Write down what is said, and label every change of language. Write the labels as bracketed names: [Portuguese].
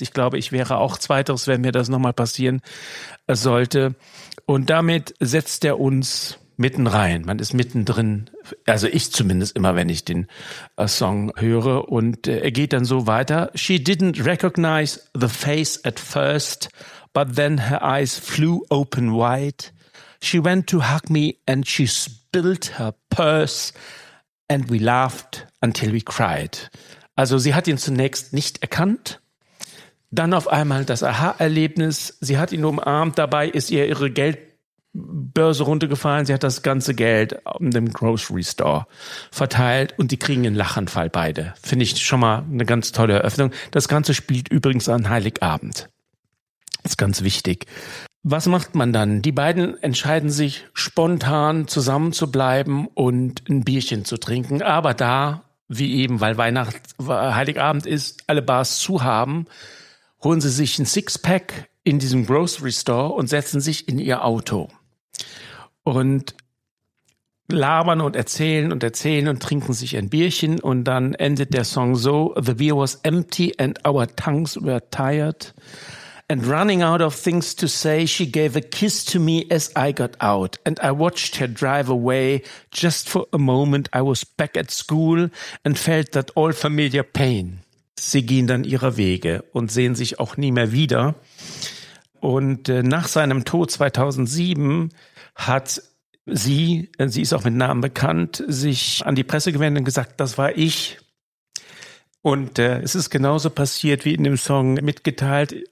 [German] Ich glaube, ich wäre auch Zweiteres, wenn mir das nochmal passieren sollte. Und damit setzt er uns mitten rein. Man ist mittendrin, also ich zumindest immer, wenn ich den Song höre. Und er geht dann so weiter. [English] She didn't recognize the face at first, but then her eyes flew open wide. She went to hug me and she spilled her purse and we laughed until we cried. [German] Also sie hat ihn zunächst nicht erkannt. Dann auf einmal das Aha-Erlebnis. Sie hat ihn umarmt. Dabei ist ihr ihre Geld, Börse runtergefallen. Sie hat das ganze Geld in dem Grocery Store verteilt und die kriegen einen Lachanfall beide. Finde ich schon mal eine ganz tolle Eröffnung. Das Ganze spielt übrigens an Heiligabend. Ist ganz wichtig. Was macht man dann? Die beiden entscheiden sich spontan zusammen zu bleiben und ein Bierchen zu trinken. Aber da, wie eben, weil Heiligabend ist, alle Bars zu haben, holen sie sich ein Sixpack in diesem Grocery Store und setzen sich in ihr Auto. Und labern und erzählen und trinken sich ein Bierchen. Und dann endet der Song so: [English] The beer was empty and our tongues were tired. And running out of things to say, she gave a kiss to me as I got out. And I watched her drive away. Just for a moment I was back at school and felt that all familiar pain. [German] Sie gehen dann ihrer Wege und sehen sich auch nie mehr wieder. Und nach seinem Tod 2007 hat sie ist auch mit Namen bekannt, sich an die Presse gewendet und gesagt, das war ich. Und es ist genauso passiert, wie in dem Song mitgeteilt.